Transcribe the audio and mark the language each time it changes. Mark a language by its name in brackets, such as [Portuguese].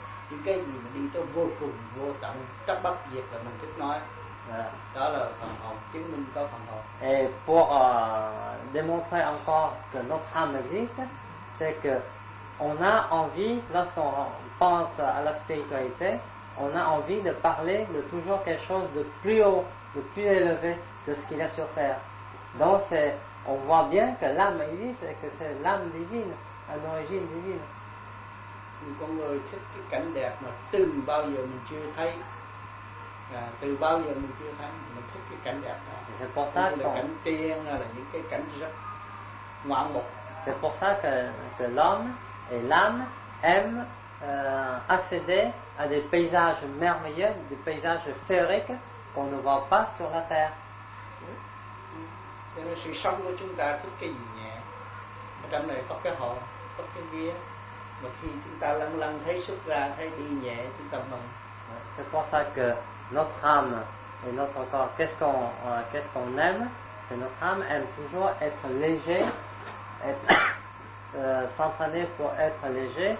[Vietnamese] Những cái gì mà đi tới vô cùng, vô tận, chấp bất diệt là mình thích nói. Đó là phần hồn, chứng minh có phần hồn. [French] Et pour démontrer encore que notre âme existe, c'est que on a envie, lorsqu'on pense à la spiritualité, on a envie de parler de toujours quelque chose de plus haut, de plus élevé de ce qu'il y a sur terre. Donc c'est, on voit bien que l'âme existe et que c'est l'âme divine, à l'origine divine. [Vietnamese] Con người thích cái cảnh đẹp mà từ bao giờ mình chưa thấy, mình thích cái cảnh đẹp đó. [French] C'est pour ça [Vietnamese] là cảnh tiên hay là những cái cảnh rất ngoạn mục. [French] C'est pour ça que l'homme et l'âme aiment accéder à des paysages merveilleux, des paysages féeriques qu'on ne voit pas sur la terre. [Vietnamese] Cho nên sự sống của chúng ta thích cái gì nhẹ, ở trong này có cái hồn, có cái vía. Mà khi chúng ta lăn lăn thấy xuất ra, thấy đi nhẹ, chúng ta mừng. [French] C'est pour ça que notre âme et notre corps, qu'est-ce qu'on aime? C'est notre âme aime toujours être léger, être, s'entraîner pour être léger.